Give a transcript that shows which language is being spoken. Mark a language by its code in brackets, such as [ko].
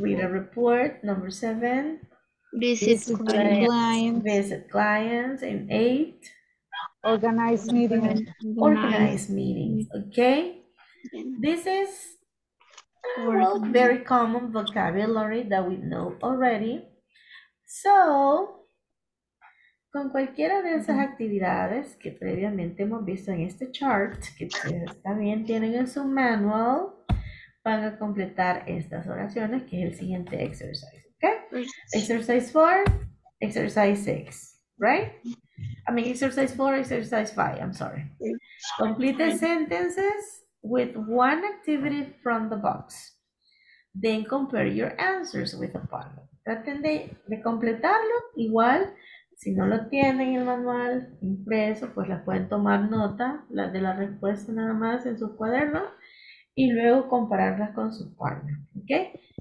[en] Read a report. Number seven? Visit clients. And eight? Organize meetings. Organize meetings. Okay. This is very common vocabulary that we know already. [es] So, con cualquiera de esas actividades que previamente hemos visto en este chart, que ustedes también tienen en su manual, van a completar estas oraciones, que es el siguiente exercise. [en] Okay? Exercise 4, exercise 6, right? I mean, exercise 4, exercise 5, I'm sorry. Complete the sentences with one activity from the box. Then compare your answers with a partner. [es] Traten de completarlo. Igual, si no lo tienen el manual impreso, pues las pueden tomar nota, las de la respuesta nada más en su cuaderno, y luego compararlas con su partner. ¿Ok?